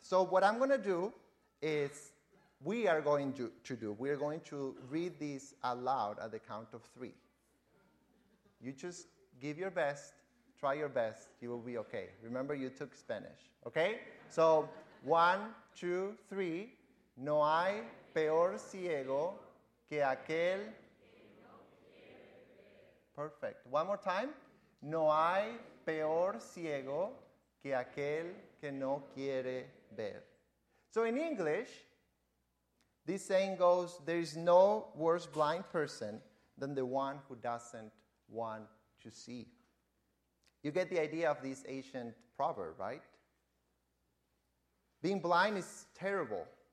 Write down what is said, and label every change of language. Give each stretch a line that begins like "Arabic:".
English: So what I'm going to do is we are going to read this aloud at the count of three. You just give your best. Try your best, you will be okay. Remember, you took Spanish, okay? So, one, two, three.
Spanish: No hay peor ciego que aquel que no quiere ver.
English: Perfect. One more time.
Spanish: No hay peor ciego que aquel que no quiere ver.
English: So, in English, this saying goes, there is no worse blind person than the one who doesn't want to see. You get the idea of this ancient proverb, right? Being blind is terrible.